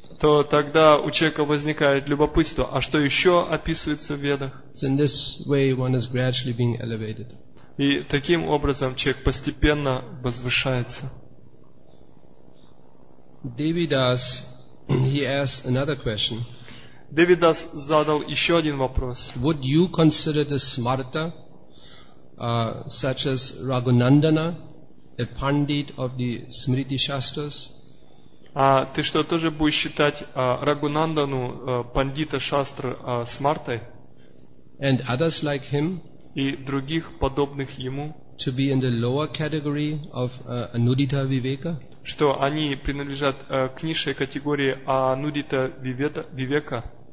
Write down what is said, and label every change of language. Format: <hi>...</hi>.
<ru>То тогда у человека возникает любопытство, а что еще описывается в Ведах?</ru> <en>In this way one is gradually being elevated.</en> <ru>И таким образом человек постепенно возвышается.</ru> <en>Devidas, he asks another question.</en> <ru>Devidas задал еще один вопрос.</ru> <en>Would you consider the smarta, such as Raghunandana, a pandit of the Smriti Shastras?</en> <ru>А ты что, тоже будешь считать Рагунандану пандита шастр смартой?</ru> <en>And others like him,</en> <ru>и других подобных ему,</ru> <en>to be in the lower category of anudita viveka,</en> <ru>что они принадлежат к низшей категории анудита вивека?</ru>